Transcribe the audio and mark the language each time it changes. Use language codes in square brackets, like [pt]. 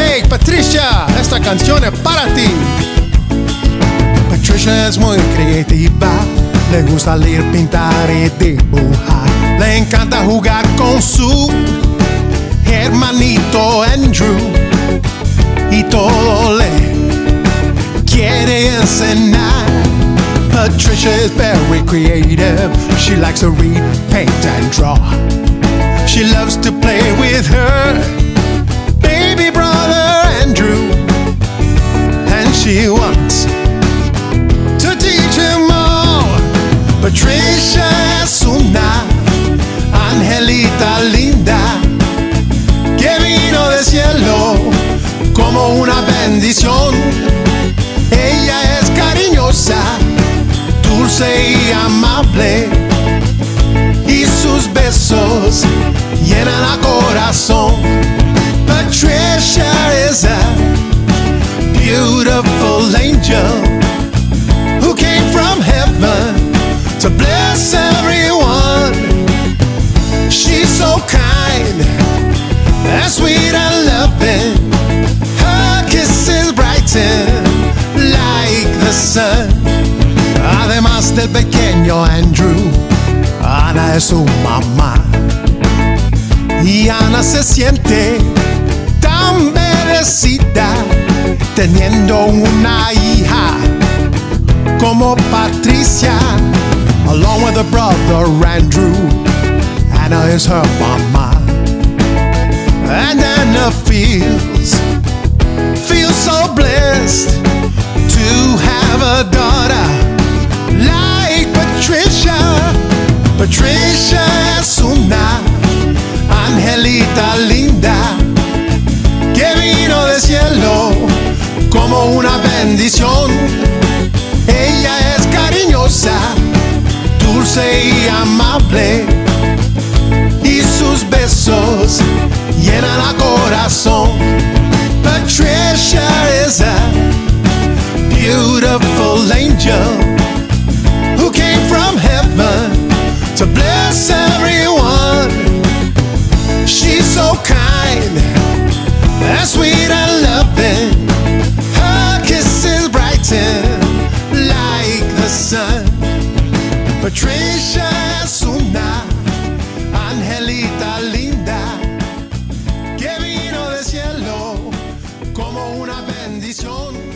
[es] Patricia, esta canción es para ti. Patricia es muy creativa, le gusta leer, pintar y dibujar. Le encanta jugar con su hermanito Andrew y todo le quiere enseñar. [en] Patricia is very creative. She likes to read, paint, and draw. She loves to play with her baby brother Andrew, and she wants to teach him all. [es] Patricia es una angelita linda, que vino del cielo como una bendición. Ella es cariñosa, dulce y amable, y sus besos llenan el corazón. [en] Patricia is a beautiful angel who came from heaven to bless everyone. She's so kind and sweet and loving. Her kisses brighten like the sun. [es] Además del pequeño Andrew, Ana es su mamá. Y Ana se siente tan merecida teniendo una hija como Patricia. [en] Along with her brother Andrew, Ana is her mama. And Ana feels so blessed to have a daughter like Patricia. [es] Patricia es una angelita linda, que vino del cielo como una bendición. Ella es cariñosa, dulce y amable, y sus besos llenan el corazón. [en] Patricia is a beautiful angel who came from heaven to bless everyone. She's so kind and sweet and loving. Her kisses brighten like the sun. [es] Patricia es una angelita linda, que vino del cielo como una bendición.